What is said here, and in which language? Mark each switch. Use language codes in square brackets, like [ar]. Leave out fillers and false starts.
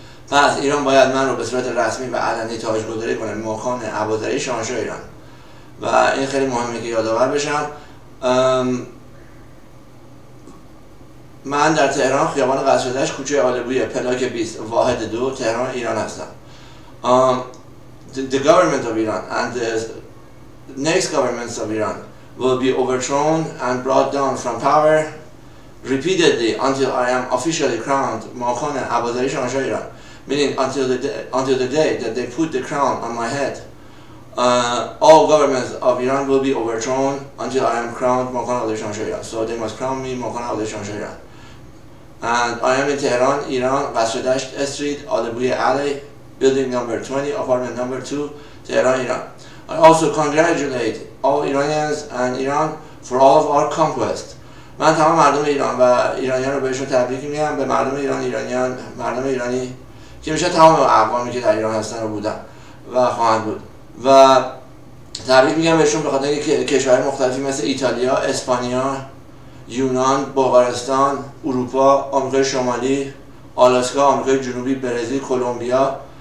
[fa] پس ایران باید من رو به صورت رسمی و علنی تاجگذاری کنه ماکان عبازری شاهنشاه ایران و این خیلی مهمه که یادآور بشم. من در تهران خیابان قصرالدشت کوچه آلبویه پلاک 20 واحد 2 تهران ایران هستم. [en] The government of Iran and the next governments of Iran will be overthrown and brought down from power repeatedly until I am officially crowned Makan Abazari شاهنشاه Iran. Meaning until the day that they put the crown on my head, all governments of Iran will be overthrown until I am crowned Makan Abazari Shahan Shah. So they must crown me Makan Abazari Shahan Shah. And I am in Tehran, Iran, Qasr-e-Dasht Street, Alibuye Alley, building number 20, apartment number 2, Tehran, Iran. I also congratulate all Iranians and Iran for all of our conquests. [fa] من تمام مردم ایران و ایرانیان رو بهشون تبریک میگم، به مردم ایران، ایرانیان، مردم ایرانی که میشه تمام اقوامی که در ایران هستن رو بودن و خواهند بود و تبریک میگم بهشون به خاطر اینکه کشورهای مختلفی مثل ایتالیا، اسپانیا، یونان، بلغارستان، اروپا، آمریکای شمالی، آلاسکا، آمریکای جنوبی، برزیل، کولومبیا،